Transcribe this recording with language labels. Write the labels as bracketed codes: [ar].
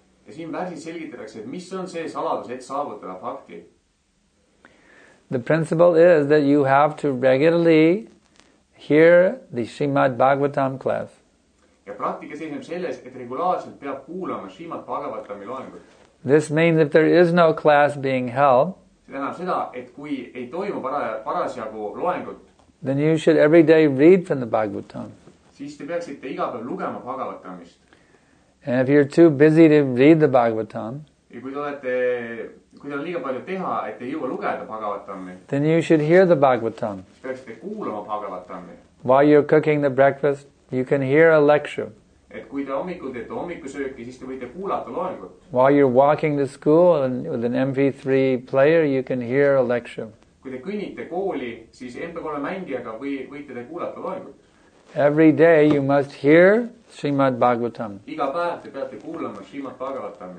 [et] Ja siin värsis selgitatakse, et mis on see saladus, et saavutada bhakti. [en] The principle is that you have to regularly hear the Srimad Bhagavatam class. [et] Ja praktika seisneb selles, et regulaarselt peab kuulama Srimad Bhagavatami loengut. [en] This means if there is no class being held, [et] see tähendab seda, et kui ei toimu parasjagu loengut, [en] then you should every day read from the Bhagavatam. [et] Siis te peaksite iga päev lugema Bhagavatamist. [en] And if you're too busy to read the Bhagavatam, [et] ja kui te olete, kui te on liiga palju teha, et ei jõua lugeda Bhagavatami, [en] then you should hear the Bhagavatam. [et] Siis peaksite kuulama Bhagavatami. [en] While you're cooking the breakfast, you can hear a lecture. [et] Et kui te hommikul teete hommikusööki, siis te võite kuulata loengut. [en] While you're walking to school and with an MP3 player, you can hear a lecture. [et] Kui te kõnnite kooli, siis MP3 mängijaga võite te kuulata loengut. [en] Every day you must hear Srimad Bhagavatam. [et] Iga päev te peate kuulama Srimad Bhagavatam.